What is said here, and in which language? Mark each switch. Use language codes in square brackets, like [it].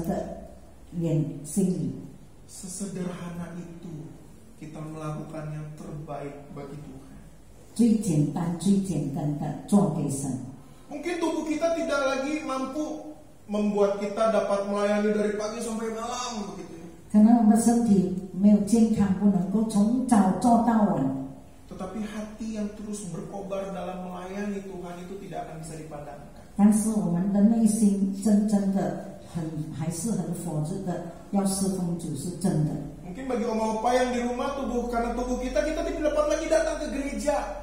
[zh] 所以我们的内心要诚实，要圣洁，要虔诚在神的眼心里。 [id] Sesederhana itu kita melakukan yang terbaik bagi Tuhan. [zh] 最简单的做给神。 [id] Mungkin tubuh kita tidak lagi mampu membuat kita dapat melayani dari pagi sampai malam begitu. Karena tubuh [zh] 没有健康，不能够从早做到晚。 [id] Tetapi hati yang terus berkobar dalam melayani Tuhan itu tidak akan bisa dipadamkan. [zh] 但是我们的内心真正的很还是很火热的要侍奉主是真的。 [id] Mungkin bagi oma-opa yang di rumah tubuh karena tubuh kita tidak dapat lagi datang ke gereja.